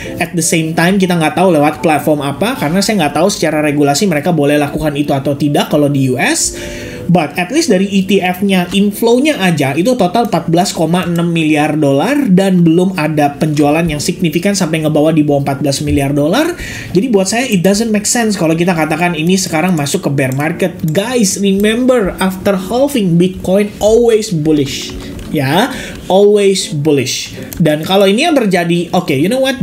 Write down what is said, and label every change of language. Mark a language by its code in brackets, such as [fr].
[en] At the same time, [id] kita nggak tahu lewat platform apa, karena saya nggak tahu secara regulasi mereka boleh lakukan itu atau tidak kalau di US. [en] But at least [id] dari ETF-nya, inflow-nya aja, itu total $14.6 miliar dan belum ada penjualan yang signifikan sampai ngebawa di bawah $14 miliar. Jadi buat saya, [en] it doesn't make sense [id] kalau kita katakan ini sekarang masuk ke bear market. [en] Guys, remember, after halving, Bitcoin always bullish. Ya, always bullish. [id] Dan kalau ini yang terjadi, [en] okay, you know what?